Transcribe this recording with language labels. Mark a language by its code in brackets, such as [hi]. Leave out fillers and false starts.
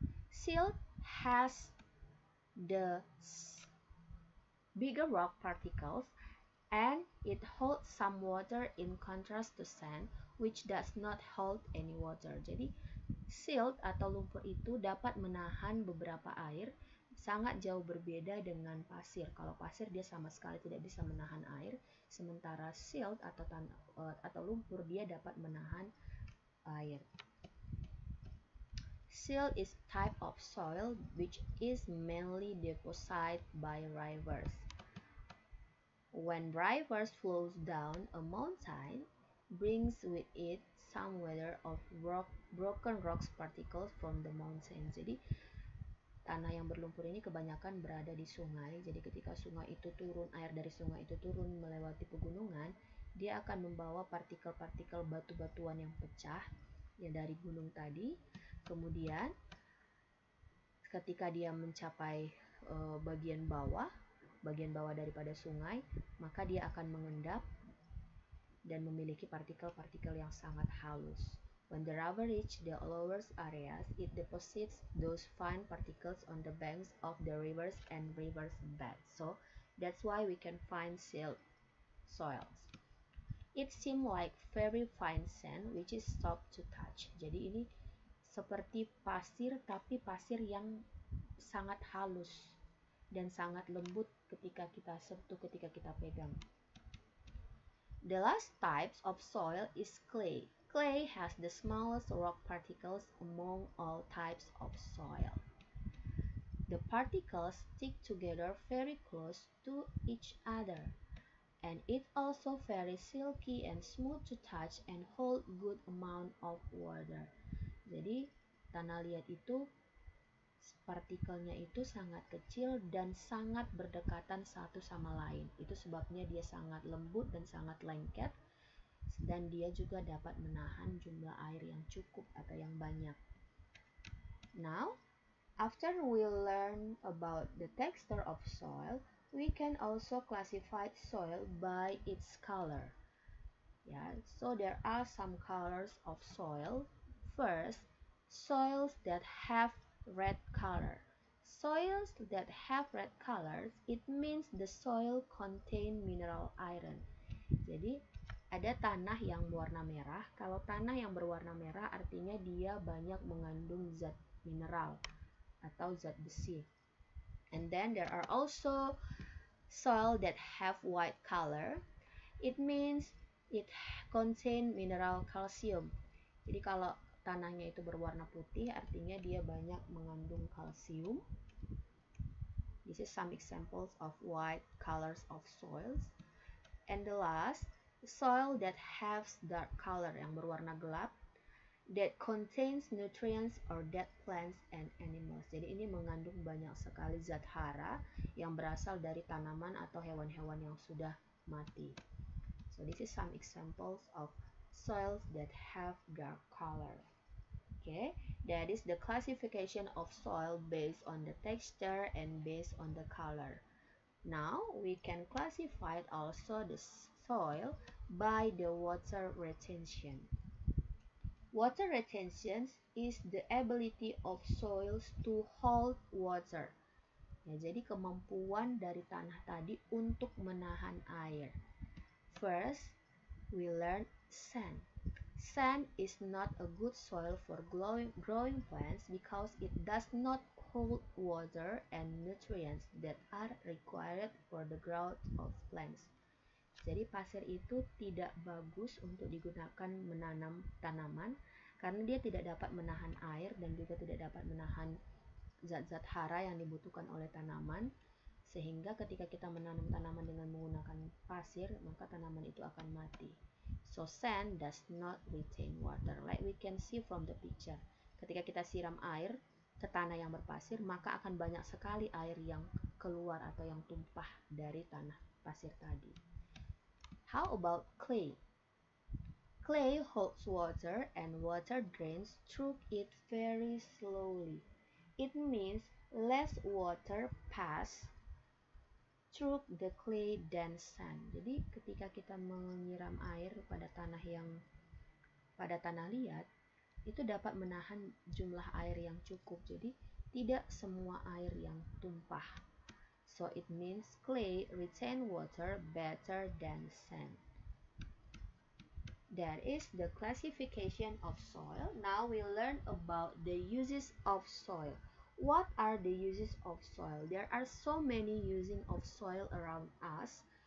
[en] Silt has the bigger rock particles and it holds some water in contrast to sand, which does not hold any water. [id] Jadi, silt atau lumpur itu dapat menahan beberapa air, sangat jauh berbeda dengan pasir. Kalau pasir, dia sama sekali tidak bisa menahan air, sementara silt atau lumpur, dia dapat menahan air. [en] Silt is type of soil which is mainly deposited by rivers. When rivers flow down a mountain, brings with it some weather of rock, broken rocks particles from the mountains. [id] Jadi tanah yang berlumpur ini kebanyakan berada di sungai. Jadi ketika sungai itu turun, air dari sungai itu turun melewati pegunungan, dia akan membawa partikel-partikel batu-batuan yang pecah ya dari gunung tadi. Kemudian ketika dia mencapai bagian bawah daripada sungai, maka dia akan mengendap dan memiliki partikel-partikel yang sangat halus. [en] When the river reaches the lower areas, it deposits those fine particles on the banks of the rivers and rivers bed. So, that's why we can find silt soils. It seems like very fine sand, which is soft to touch. [id] Jadi ini seperti pasir, tapi pasir yang sangat halus dan sangat lembut ketika kita sentuh, ketika kita pegang. [en] The last type of soil is clay. Clay has the smallest rock particles among all types of soil. The particles stick together very close to each other, and it's also very silky and smooth to touch and hold good amount of water. [id] Jadi, tanah liat itu partikelnya itu sangat kecil dan sangat berdekatan satu sama lain. Itu sebabnya dia sangat lembut dan sangat lengket, dan dia juga dapat menahan jumlah air yang cukup atau yang banyak. [en] Now, after we learn about the texture of soil, we can also classify soil by its color. Yeah, so there are some colors of soil. First, soils that have red color. Soils that have red colors, it means the soil contain mineral iron. [id] Jadi, ada tanah yang berwarna merah. Kalau tanah yang berwarna merah, artinya dia banyak mengandung zat mineral atau zat besi. [en] And then there are also soil that have white color. It means it contain mineral calcium. [id] Jadi kalau tanahnya itu berwarna putih, artinya dia banyak mengandung kalsium. [en] This is some examples of white colors of soils. And the last, soil that has dark color, [id] yang berwarna gelap, [en] that contains nutrients or dead plants and animals. [id] Jadi ini mengandung banyak sekali zat hara yang berasal dari tanaman atau hewan-hewan yang sudah mati. [en] So this is some examples of soils that have dark color. Okay, that is the classification of soil based on the texture and based on the color. Now, we can classify also the soil by the water retention. Water retention is the ability of soils to hold water. [id] Ya, jadi kemampuan dari tanah tadi untuk menahan air. [en] First, we learn sand. Sand is not a good soil for growing plants because it does not hold water and nutrients that are required for the growth of plants. [id] Jadi pasir itu tidak bagus untuk digunakan menanam tanaman karena dia tidak dapat menahan air dan juga tidak dapat menahan zat-zat hara yang dibutuhkan oleh tanaman. Sehingga ketika kita menanam tanaman dengan menggunakan pasir, maka tanaman itu akan mati. [en] So sand does not retain water, like we can see from the picture. [id] Ketika kita siram air ke tanah yang berpasir, maka akan banyak sekali air yang keluar atau yang tumpah dari tanah pasir tadi. [en] How about clay? Clay holds water and water drains through it very slowly. It means less water pass through the clay than sand. [id] Jadi ketika kita menyiram air pada tanah yang pada tanah liat, itu dapat menahan jumlah air yang cukup. Jadi tidak semua air yang tumpah. [en] So it means clay retain water better than sand. That is the classification of soil. Now we learn about the uses of soil. What are the uses of soil? There are so many uses of soil around us.